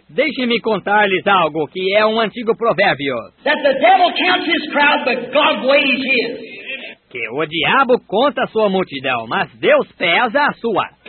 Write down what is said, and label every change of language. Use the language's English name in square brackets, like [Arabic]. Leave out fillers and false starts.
[Portuguese] Deixe-me contar-lhes algo que é um antigo provérbio. [English] That the devil counts his crowd, but God weighs his. [Portuguese] Que o diabo conta a sua multidão, mas Deus pesa a sua.